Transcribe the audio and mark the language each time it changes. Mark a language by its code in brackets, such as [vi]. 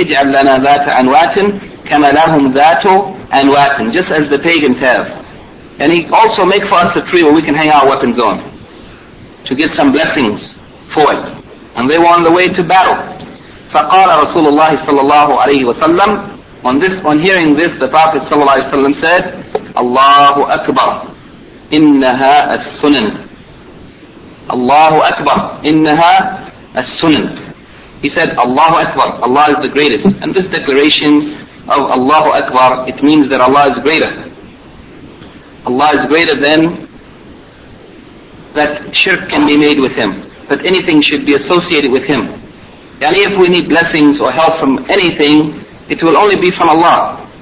[ar] اِجْعَلْ لَنَا ذَاتَ أَنْوَاتٍ كَمَا لَهُمْ ذَاتُ أَنْوَاتٍ [en] Just as the pagans have. And he also make for us a tree where we can hang our weapons on, to get some blessings for it. And they were on the way to battle. [ar] فَقَالَ رَسُولُ اللَّهِ صَلَى اللَّهُ عَلَيْهِ وَسَلَّمْ [en] On hearing this, the Prophet صلى [ar] الله عليه وسلم said, اللَّهُ أَكْبَرْ إِنَّهَا السُّنَنْ اللَّهُ أَكْبَرْ إِنَّهَا السُّنَنْ [en] He said, Allahu Akbar, Allah is the greatest. And this declaration of Allahu Akbar, it means that Allah is greater. Allah is greater than that shirk can be made with Him, that anything should be associated with Him. And if we need blessings or help from anything, it will only be from Allah.